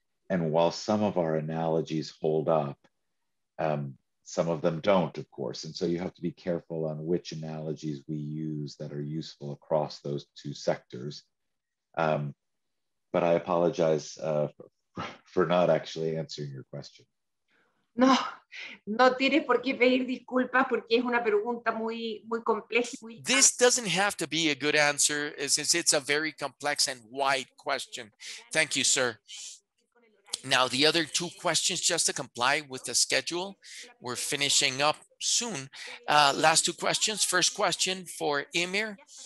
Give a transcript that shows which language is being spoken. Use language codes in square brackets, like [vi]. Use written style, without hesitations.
[en] And while some of our analogies hold up, some of them don't, of course. And so you have to be careful on which analogies we use that are useful across those two sectors. But I apologize for not actually answering your question. [es] No, no tienes por qué pedir disculpas porque es una pregunta muy, muy compleja. [en] This doesn't have to be a good answer, since it's a very complex and wide question. Thank you, sir. Now, the other two questions, just to comply with the schedule, we're finishing up soon. Last two questions. First question for Amir.